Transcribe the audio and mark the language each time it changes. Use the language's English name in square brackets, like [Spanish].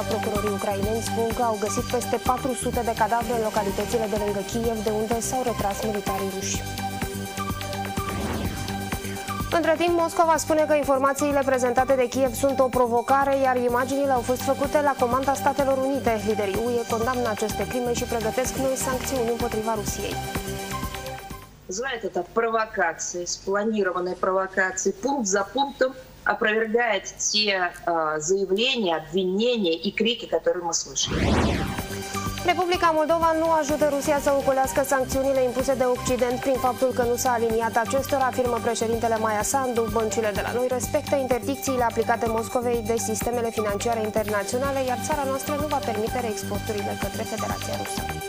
[Romanian] Procurorii ucraineni spun că au găsit peste 400 de cadavre în localitățile de lângă Kiev, de unde s-au retras militarii ruși. Între timp, Moscova spune că informațiile prezentate de Kiev sunt o provocare, iar imaginile au fost făcute la comanda Statelor Unite. Liderii UE condamnă aceste crime și pregătesc noi sancțiuni împotriva Rusiei. [Russian] Знаете, это провокации, спланированные провокации, пункт за пунктом опровергает те заявления, обвинения и крики, которые мы слышали. [Romanian] Republica Moldova nu ajută Rusia să ocolească sancțiunile impuse de Occident prin faptul că nu s-a aliniat acestora, afirmă președintele Maia Sandu. Băncile de la noi respectă interdicțiile aplicate Moscovei de sistemele financiare internaționale, iar țara noastră nu va permite reexporturile către Federația Rusă.